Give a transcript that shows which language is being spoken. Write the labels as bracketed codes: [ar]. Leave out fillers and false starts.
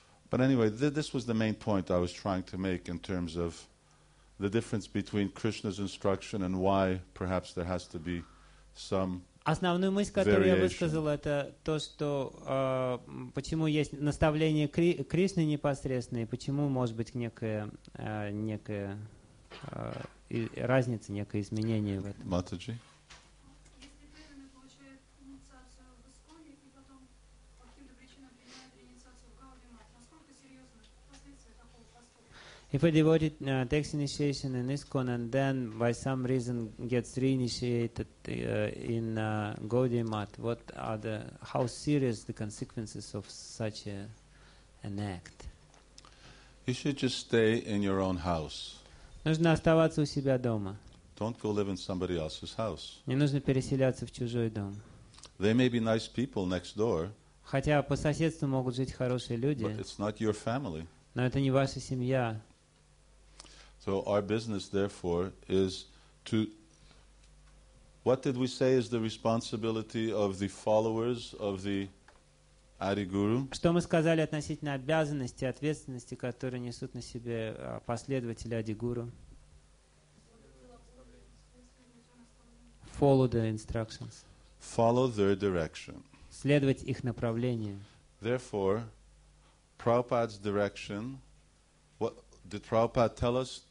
[en] But anyway, this was the main point I was trying to make in terms of the difference between Krishna's instruction and why perhaps there has to be some [ru] Основную мысль, которую я высказал, это то, что почему есть наставление Кришны непосредственно, и почему может быть некая разница, некое изменение в этом. Матаджи. [en] If a devotee takes initiation in ISKCON and then by some reason gets reinitiated in Gaudiya Math, how serious the consequences of such an act? You should just stay in your own house. [ru] Нужно оставаться у себя дома. [en] Don't go live in somebody else's house. [ru] Не нужно переселяться в чужой дом. [en] They may be nice people next door. [ru] Хотя по соседству могут жить хорошие люди. [en] But it's not your family. [ru] Но это не ваша семья. [en] So our business, therefore, is to. What did we say is the responsibility of the followers of the Adi Guru? [ru] Что мы сказали относительно обязанности, ответственности, которые несут на себе последователи Адигуру? Гуру? [en] Follow the instructions. Follow their direction. [ru] Следовать их направлению. [en] Therefore, Prabhupada's direction. What did Prabhupada tell us?